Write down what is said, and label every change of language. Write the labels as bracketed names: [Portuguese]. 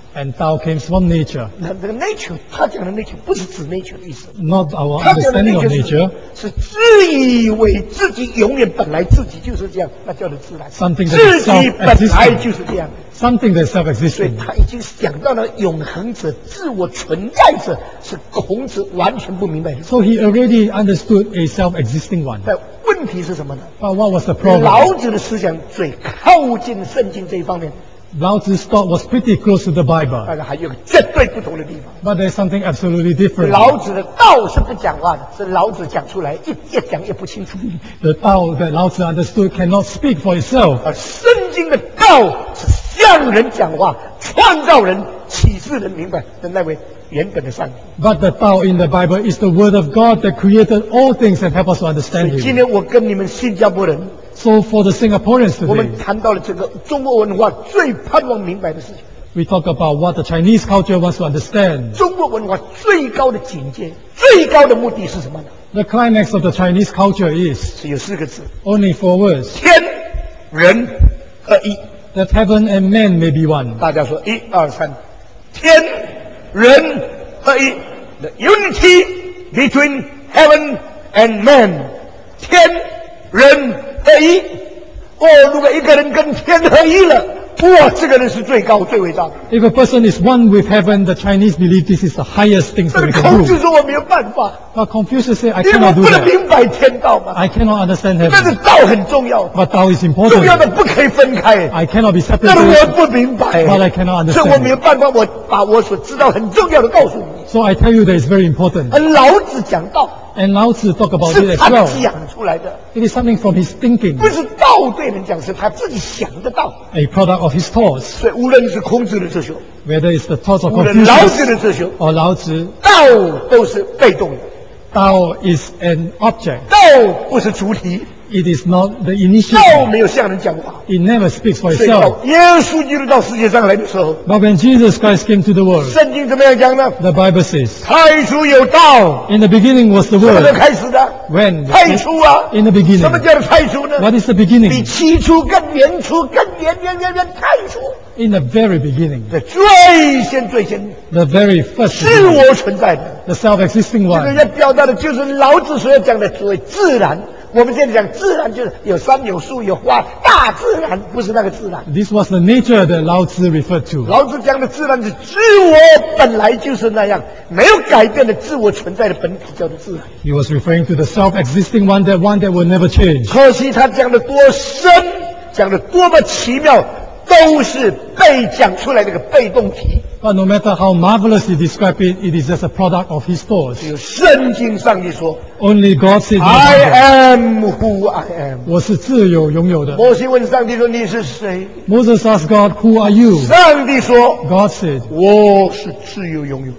[English] And Tao came from nature. [Chinese] 那个 nature， 他讲的 nature 不是指 nature 的意思。 [English] Not our understanding of nature. [Chinese] 是自以为自己永远本来自己就是这样，那叫做自然。 [English] Something that is self-existing. [Chinese] 自己本来就是这样。 [English] Something that is self-existing. [Chinese] 所以他已经想到了永恒者、自我存在者，是孔子完全不明白的。 [English] So he already understood a self-existing one. [Chinese] 但问题是什么呢 [English] ？But what was the problem? [Chinese] 老子的思想最靠近圣经这一方面。 [English] Lao Tzu's thought was pretty close to the Bible. [Chinese] 但是还有绝对不同的地方。 [English] But there's something absolutely different. [Chinese] 老子的道是不讲话的，是老子讲出来，越讲越不清楚。 [English] The Tao that Lao Tzu understood cannot speak for itself. [Chinese] 而圣经的道是向人讲话，创造人，启示人明白的那位原本的上帝。 [English] But the Tao in the Bible is the Word of God that created all things and helps us to understand Him. [Chinese] 今天我跟你们新加坡人。 [English] So for the Singaporeans today, [Chinese] 我们谈到了这个中国文化最盼望明白的事情。 [English] We talk about what the Chinese culture wants to understand. [Chinese] 中国文化最高的境界、最高的目的是什么呢 [English] ？The climax of the Chinese culture is [Chinese] 只有四个字 [English] ，only four words. [Chinese] 天人合一。 [English] That heaven and man may be one. [Chinese] 大家说一二三，天人合一。 [English] The unity between heaven and man. [Chinese] 天人合一，哦，如果一个人跟天合一了，哇，这个人是最高最伟大的。 [English] If a person is one with heaven, the Chinese believe this is the highest thing that we can do. [Chinese] 孔子说我没有办法。 [English] But Confucius say I cannot do that. [Chinese] 你们不能明白天道吗 [English] ？I cannot understand heaven. [Chinese] 但是道很重要。 [English] But Tao is important. [Chinese] 重要的不可以分开。 [English] I cannot be separated. [Chinese] 但我不明白。 [English] But I cannot understand. [Chinese] 所以我没有办法，我把我所知道很重要的告诉你。 [English] So I tell you that it's very important. [Chinese] 老子讲道。 [English] And Lao Tzu talk about it as well. [Chinese] 是他讲出来的。 [English] It is something from his thinking. [Chinese] 不是道对人讲，是他自己想得到。 [English] A product of his thoughts. [Chinese] 所以无论是孔子的哲学 [English] ，whether it's the thoughts of Confucius, [Chinese] 无论老子的哲学 [English] ，or 老子， [Chinese] 道都是被动的。 [English] Tao is an object. [Chinese] 道不是主体。 [English] It is not the initiator. [Chinese] 道没有向人讲话。 [English] It never speaks for itself. [Chinese] 所以到耶稣基督到世界上来的时候 [English] ，But when Jesus Christ came to the world, [Chinese] 圣经怎么样讲呢 [English] ？The Bible says, [Chinese] 太初有道。 [English] In the beginning was the word. [Chinese] 什么开始的 [English] ？When? [Chinese] 太初啊。 [English] In the beginning. [Chinese] 什么叫太初呢 [English] ？What is the beginning? [Chinese] 比起初更原初更原太初。 [English] In the very beginning. [Chinese] 最先最先。 [English] The very first. [Chinese] 自我存在的。 [English] The self-existing one. [Chinese] 这个要表达的就是老子所要讲的所谓自然。我们现在讲自然就是有山有树有花大自然不是那个自然 [English] This was the nature that Lao Tzu referred to [Chinese] 老子讲的自然是自我本来就是那样没有改变的自我存在的本体叫做自然 [English] He was referring to the self-existing one that one that will never change [Chinese] 可惜他讲的多深讲的多么奇妙都是被讲出来的一个被动体 [English] But no matter how marvelous he described it It is just a product of his thoughts [Chinese] 只有圣经上帝说 [English] Only God said I am who I am [Chinese] 我是自由拥有的摩西问上帝说你是谁 [English] Moses asked God who are you [Chinese] 上帝说 [English] God said [Chinese] 我是自由拥有